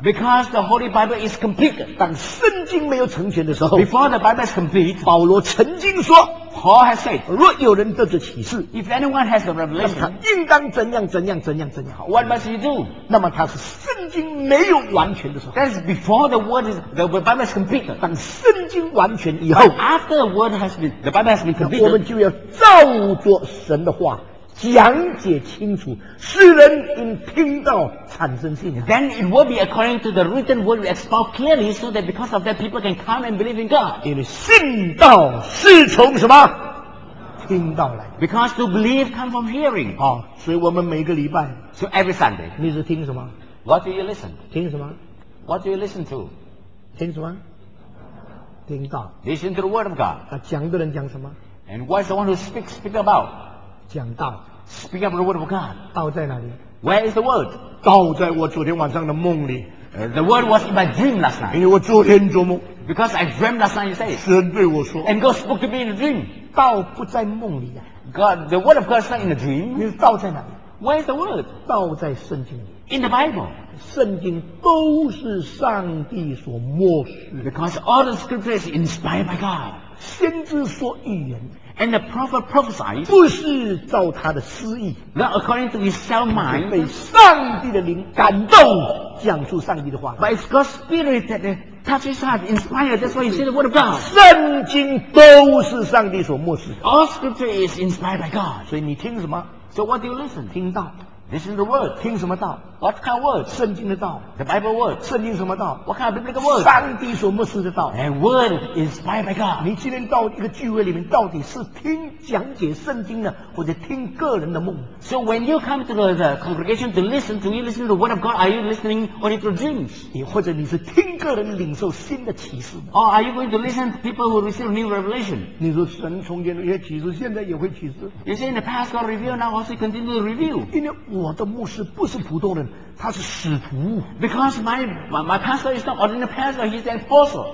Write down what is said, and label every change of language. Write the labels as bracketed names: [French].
[English] Because the Holy Bible is completed [Chinese] 当圣经没有成全的时候 [English] Before the Bible is complete [Chinese] 保罗成圣经说 [English] Paul has said [Chinese] 若有人得着启示 [English] If anyone has a revelation [Chinese] 那么他应当怎样怎样怎样怎样 [English] What must he do [Chinese] 那么他是圣经没有完全的时候 [English] That's before the word is the Bible is completed [Chinese] 当圣经完全以后 [English] But after the word has been the Bible has been completed [Chinese] 我们就要照着神的话讲解清楚，世人因听到产生信仰。 [English] Then it will be according to the written word we expound clearly, so that because of that people can come and believe in God. [Chinese] 因为信道是从什么？听到来。 [English] Because to believe come from hearing. [Chinese] 好，所以我们每个礼拜 [English] ，so every Sunday， [Chinese] 你是听什么 [English] ？What do you listen？ [Chinese] 听什么 [English] ？What do you listen to？ [Chinese] 听什么？听到。 [English] Listen to the word of God。 [Chinese] 啊，讲的人讲什么 [English] ？And what is the one who speak about？ [Chinese] 讲道 [English] ，Speak up the word of God。 [Chinese] 道在哪里 [English] ？Where is the word？ [Chinese] 道在我昨天晚上的梦里。 [English] The word was in my dream last night。 [Chinese] 因为我昨天做梦。 [English] Because I dreamt last night, you say。 [Chinese] 神对我说。 [English] And God spoke to me in a dream。 [Chinese] 道不在梦里啊。 [English] God, the word of God is not in a dream. [Chinese] 你的道在哪里？ [English] Where is the word? [Chinese] 道在圣经里。 [English] In the Bible. [Chinese] 圣经都是上帝所默示。 [English] Because all the scriptures are inspired by God. [Chinese] 先知说预言。 [English] And the prophet prophesied. [Chinese] 不是照他的私意。 [English] Not according to his own mind. [Chinese] 被上帝的灵感动，讲出上帝的话。 [English] But it's God's spirit that touch his heart, inspired, that's why he said the word of God. [Chinese] 圣经都是上帝所默示。 [English] All scripture is inspired by God. [Chinese] 所以你听什么？ [English] So what do you listen? [Chinese] 听道。 [English] Listen to the word. [Chinese] 听什么道？ [English] What kind of word? [Chinese] 圣经的道。 [English] The Bible word. [Chinese] 圣经什么道？ [English] What kind of biblical word? [Chinese] 上帝所默示的道。 [English] And word inspired by God. [Chinese] 你今天到一个聚会里面，到底是听讲解圣经呢，或者听个人的梦？ [English] So when you come to the congregation to listen, do you listen to the word of God? Are you listening only to dreams? [Chinese] 或者你是听个人领受新的启示？ [English] Or are you going to listen to people who receive new revelation? [Chinese] 你说神从前也启示，现在也会启示。 [English] You say in the past God revealed, now also continue to reveal. [Chinese] 因为我的牧师不是普通人。他是使徒。 [English] Because my pastor is not ordinary pastor, he's an apostle.